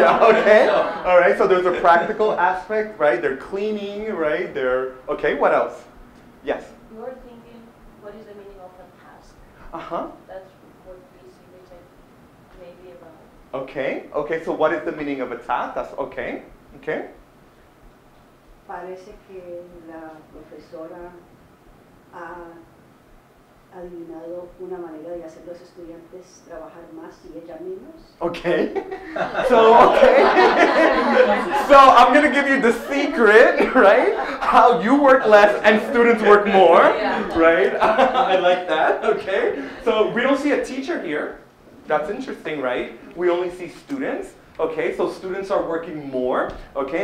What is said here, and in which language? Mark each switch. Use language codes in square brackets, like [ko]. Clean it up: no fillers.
[en] Yeah, okay. All right, so there's a practical aspect, right? They're cleaning, right? They're, okay, what else? Yes? You're thinking, what is the meaning of a task? Uh-huh. That's what we see, which I maybe about. Okay, so what is the meaning of a task? That's okay, okay. [es] Parece que la profesora ha adivinado una manera de hacer los estudiantes trabajar más y ella menos. [en] Okay. So, okay. So, I'm going to give you the secret, right? How you work less and students work more, right? I like that, okay? So, we don't see a teacher here. That's interesting, right? We only see students. Okay, so students are working more, okay?